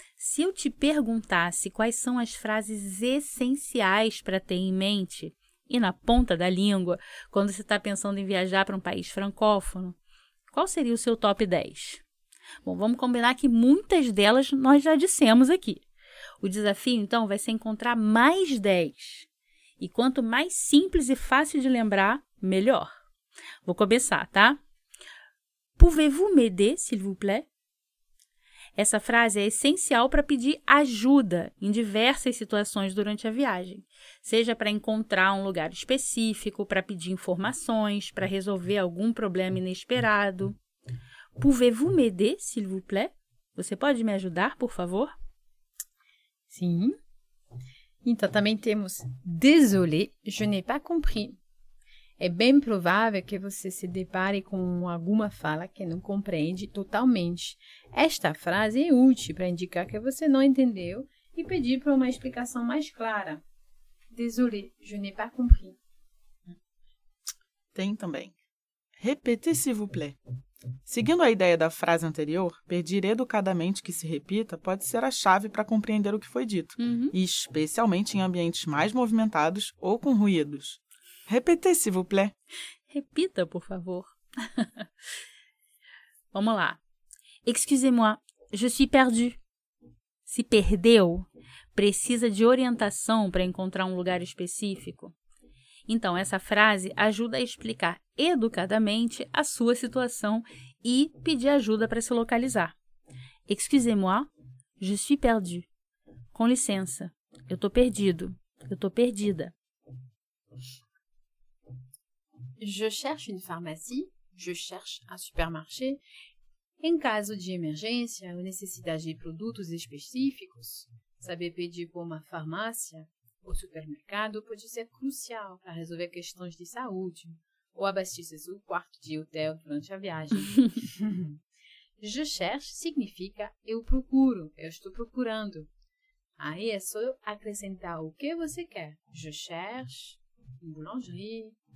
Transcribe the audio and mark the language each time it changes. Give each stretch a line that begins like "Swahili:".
Portuguese: Se eu te perguntasse quais são as frases essenciais para ter em mente e na ponta da língua quando você está pensando em viajar para um país francófono, qual seria o seu top 10? Bom, vamos combinar que muitas delas nós já dissemos aqui. O desafio, então, vai ser encontrar mais 10. E quanto mais simples e fácil de lembrar, melhor. Vou começar, tá?
French: Pouvez-vous m'aider, s'il vous plaît?
Portuguese: Essa frase é essencial para pedir ajuda em diversas situações durante a viagem, seja para encontrar um lugar específico, para pedir informações, para resolver algum problema inesperado.
French: Pouvez-vous m'aider, s'il vous plaît?
Portuguese: Você pode me ajudar, por favor? Sim. Então, também temos
French: désolé, je n'ai pas compris.
Portuguese: É bem provável que você se depare com alguma fala que não compreende totalmente. Esta frase é útil para indicar que você não entendeu e pedir para uma explicação mais clara.
French: Désolé, je n'ai pas compris.
Portuguese: Tem também.
French: Répétez, s'il vous plaît.
Portuguese: Seguindo a ideia da frase anterior, pedir educadamente que se repita pode ser a chave para compreender o que foi dito, especialmente em ambientes mais movimentados ou com ruídos.
French: Répétez, s'il vous plaît.
Portuguese: Repita, por favor. Vamos lá.
French: Excusez-moi, je suis perdu.
Portuguese: Se perdeu, precisa de orientação para encontrar um lugar específico. Então, essa frase ajuda a explicar educadamente a sua situação e pedir ajuda para se localizar.
French: Excusez-moi, je suis perdu.
Portuguese: Com licença, eu estou perdido, eu estou perdida.
French: Je cherche une pharmacie, je cherche un supermarché.
Portuguese: Em caso de emergência ou necessidade de produtos específicos, saber pedir por uma farmácia ou supermercado pode ser crucial para resolver questões de saúde ou abastecer o quarto de hotel durante a viagem.
French: Je cherche
Portuguese: significa eu procuro, eu estou procurando. Aí é só acrescentar o que você quer.
French: Je cherche une boulangerie.